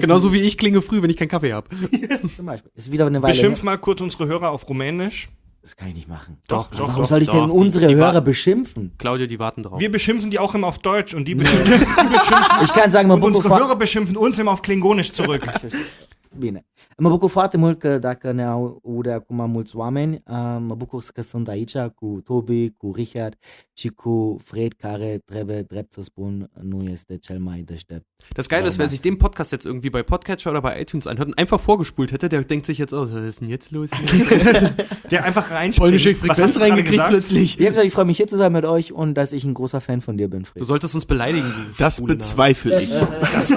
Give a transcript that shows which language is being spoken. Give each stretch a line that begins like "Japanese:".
German: Genauso wie ich klinge früh, wenn ich keinen Kaffee habe. Zum Beispiel. Ist wieder eine Weile. Beschimpf mal kurz unsere Hörer auf Rumänisch. Das kann ich nicht machen. Doch. Warum soll ich denn unsere Hörer beschimpfen? Claudio, die warten drauf. Wir beschimpfen die auch immer auf Deutsch und die beschimpfen. Ich kann sagen, und unsere Hörer beschimpfen uns immer auf Klingonisch zurück.
Romanian: Bine. Mă bucur foarte mult că dacă ne aude acum mulți oameni, mă bucur că sunt aici cu Tobi, cu Richard și cu Fred, care trebuie drept să spun, nu este cel mai deștept.
German: Das Geile ist, wer sich den Podcast jetzt irgendwie bei Podcatcher oder bei iTunes anhört und einfach vorgespult hätte, der denkt sich jetzt, was ist denn jetzt los? Der einfach reinspringt. Was hast du reingekriegt plötzlich? Ich freue mich hier zu sein mit euch und dass ich ein großer Fan von dir bin, Fred. Du solltest uns beleidigen. Das bezweifle ich. Das